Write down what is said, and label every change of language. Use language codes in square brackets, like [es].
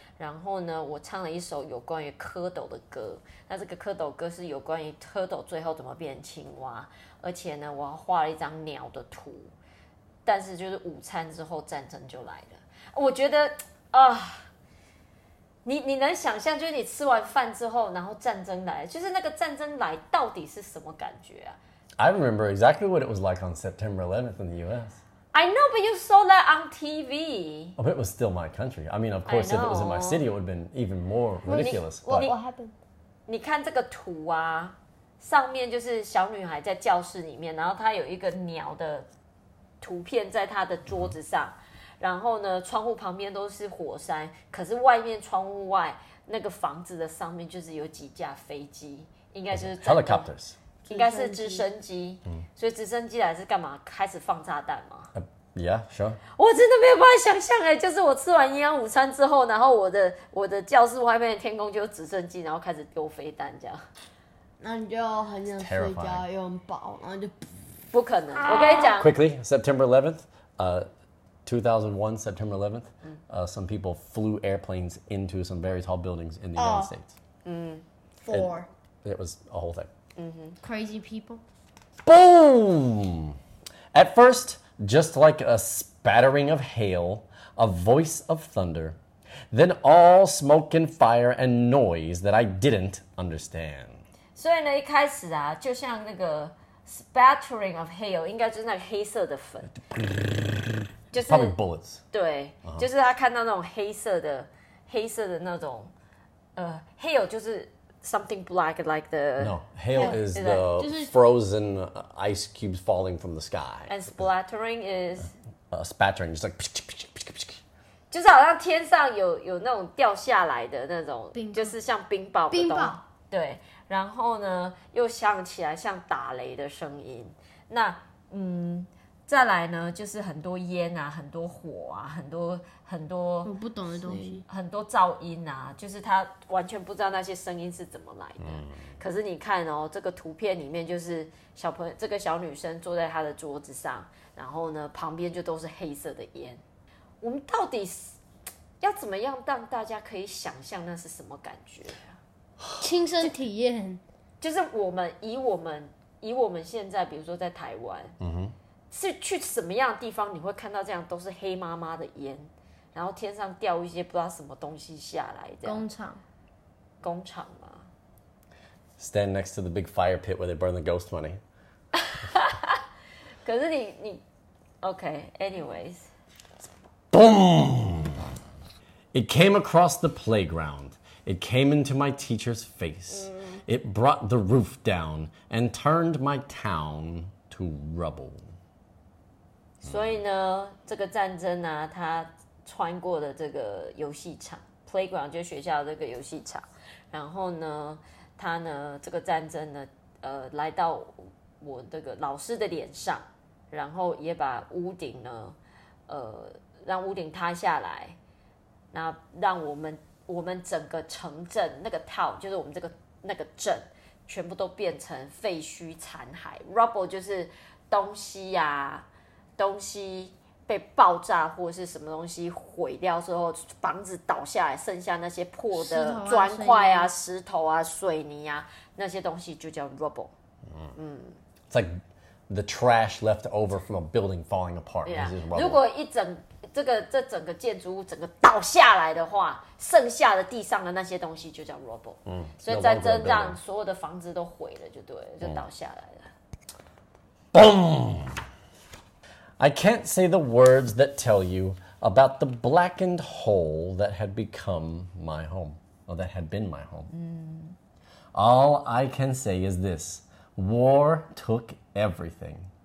[zh] 然后呢，我唱了一首有关于蝌蚪的歌。那这个蝌蚪歌是有关于蝌蚪最后怎么变成青蛙。而且呢，我画了一张鸟的图。但是就是午餐之后，战争就来了。我觉得啊，你能想象，就是你吃完饭之后，然后战争来，就是那个战争来到底是什么感觉啊？ [en] I remember exactly what it was like on September 11th in the U.S. I know, but you saw that on TV. Oh, but it was still my country. I mean, of course, if it was in my city, it would have been even more ridiculous. What happened? [zh] 你看这个图啊，上面就是小女孩在教室里面，然后她有一个鸟的图片在她的桌子上，然后呢，窗户旁边都是火山，可是外面窗户外那个房子的上面就是有几架飞机，应该就是 [en] helicopters. [zh] 应该是直升机、所以直升机来是干嘛？开始放炸弹吗、 [en] Yeah, sure. [zh] 我真的没有办法想象、就是我吃完营养午餐之后，然后我的教室外面的天空就有直升机，然后开始丢飞弹这样。那你就很想睡觉又很饱，然后就不可能。我跟你讲 [en] ，Quickly, September 11th, 2001 September 11th,、some people flew airplanes into some very tall buildings in the United States. Four. It was a whole thing. Mm-hmm. Crazy people. Boom! At first, just like a spattering of hail, a voice of thunder, then all smoke and fire and noise that I didn't understand. [zh] 所以呢，一开始啊，就像那个 [en] spattering of hail， [zh] 应该就是那个黑色的粉，就是 [en] probably bullets. [zh] 对， uh-huh. 就是他看到那种黑色的那种，hail 就是。 [en] Something black like the... No, hail yeah, is the frozen ice cubes falling from the sky. And splattering is... Spattering, just like... Psh, psh, psh, psh, psh. [zh] 就是好像天上有那种掉下来的那种冰，就是像冰雹的东西。冰雹。对，然后呢又响起来像打雷的声音。那再来呢就是很多烟啊，很多火啊，很多我不懂的东西，很多噪音啊，就是他完全不知道那些声音是怎么来的。可是你看哦，这个图片里面就是小朋友，这个小女生坐在她的桌子上，然后呢旁边就都是黑色的烟。我们到底要怎么样让大家可以想象那是什么感觉、亲身体验。就是我们现在比如说在台湾，是去什么样的地方你会看到这样都是黑麻麻的烟，然后天上掉一些不知道什么东西下来的工厂吗？ [en] Stand next to the big fire pit where they burn the ghost money. [zh] 可是你 [en] OK anyways. Boom! It came across the playground. It came into my teacher's face. It brought the roof down and turned my town to rubble. [zh] 所以呢，这个战争啊，它穿过的这个游戏场 playground 就是学校这个游戏场，然后呢，它呢这个战争呢，来到我这个老师的脸上，然后也把屋顶呢，让屋顶塌下来，那让我们整个城镇那个 town 就是我们这个那个镇，全部都变成废墟残骸 ，rubble 就是东西呀、东西被爆炸或是什么东西毁掉之后，房子倒下来，剩下那些破的砖块啊、石头啊、水泥啊，那些东西就叫 rubble。 [en] It's like the trash left over from a building falling apart. Yeah. This is rubble. [zh] 如果一整这个这整个建筑物整个倒下来的话，剩下的地上的那些东西就叫 rubble。嗯，所以战争让所有的房子都毁了，就对了，就倒下来了。 [en] Boom! I can't say the words that tell you about the blackened hole that had become my home, or that had been my home. All I can say is this: war took everything.